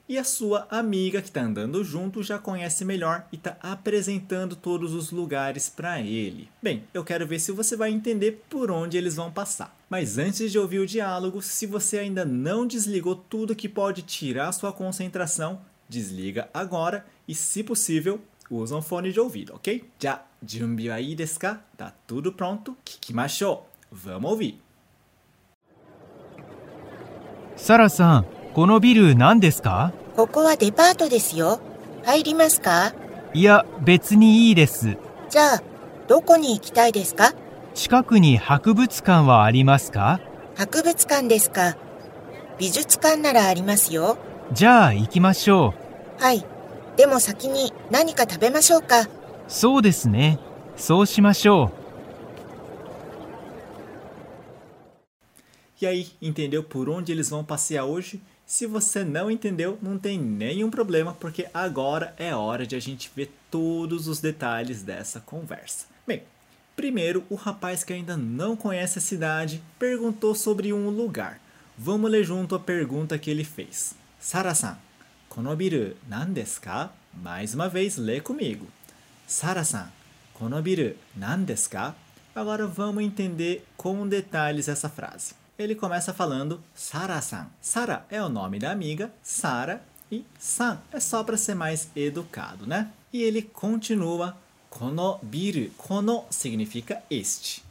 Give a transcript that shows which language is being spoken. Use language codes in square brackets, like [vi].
[pt] E a sua amiga, que está andando junto, já conhece melhor e está apresentando todos os lugares para ele. Bem, eu quero ver se você vai entender por onde eles vão passar. Mas antes de ouvir o diálogo, se você ainda não desligou tudo que pode tirar sua concentração, desliga agora e, se possível, usa um fone de ouvido, ok? [ja] Já, 準備はいいですか? [pt] Tá tudo pronto? [ja] 聞きましょう! [pt] Vamos ouvir! [ja] サラさん、このビル何ですか? ここはデパートですよ。入りますか? いや、別にいいです。じゃあ、どこに行きたいですか? 近くに博物館はありますか? 博物館ですか。美術館ならありますよ。じゃあ行きましょう。はい。でも先に何か食べましょうか。そうですね。そうしましょう。 [pt] E aí, entendeu por onde eles vão passear hoje? Se você não entendeu, não tem nenhum problema, porque agora é hora de a gente ver todos os detalhes dessa conversa. Bem, primeiro, o rapaz que ainda não conhece a cidade perguntou sobre um lugar. Vamos ler junto a pergunta que ele fez. [ja] サラさん、このビル何ですか? [pt] Mais uma vez, lê comigo. [ja] サラさん、このビル何ですか? [pt] Agora vamos entender com detalhes essa frase. Ele começa falando サラさん。 サラ é o nome da amiga, サラ e さん é só para ser mais educado, né? E ele continua このビル、この significa este.